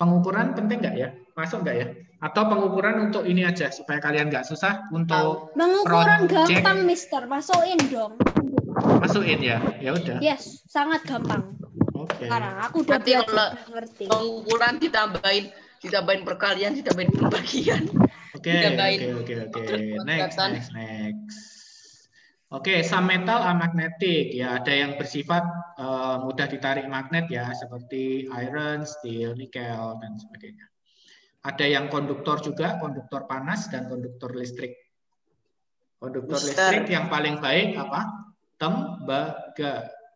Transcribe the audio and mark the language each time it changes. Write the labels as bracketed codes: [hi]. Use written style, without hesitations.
[id] Pengukuran penting nggak ya? Masuk nggak ya? Atau pengukuran untuk ini aja supaya kalian nggak susah untuk pengukuran project. Gampang, Mister, masukin dong. Masukin ya, ya udah. Yes, sangat gampang. Okay. Karena aku udah biasa ngerti. Pengukuran ditambahin perkalian, ditambahin pembagian. Oke, oke, oke. Next. [en] Oke, okay, some metal are magnetic. [id] Ya, ada yang bersifat mudah ditarik magnet ya, seperti iron, steel, nikel, dan sebagainya. Ada yang konduktor juga, konduktor panas dan konduktor listrik. Konduktor listrik yang paling baik apa? Tembaga.